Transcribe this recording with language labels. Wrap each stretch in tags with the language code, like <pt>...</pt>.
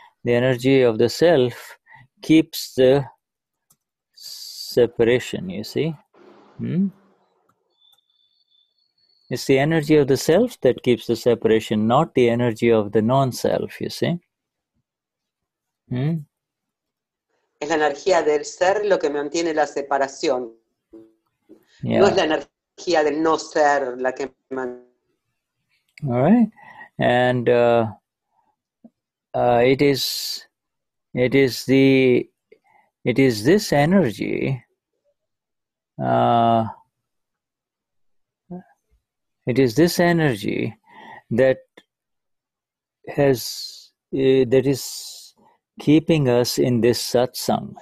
<en>The energy of the self keeps the separation, you see. It's the energy of the self that keeps the separation, not the energy of the non-self, you see.</en> <es>Es la energía del ser lo que mantiene la separación. Yeah. No es la energía del no ser la que mantiene.</es> <en>All right. And it is this energy that has that is keeping us in this satsang.</en>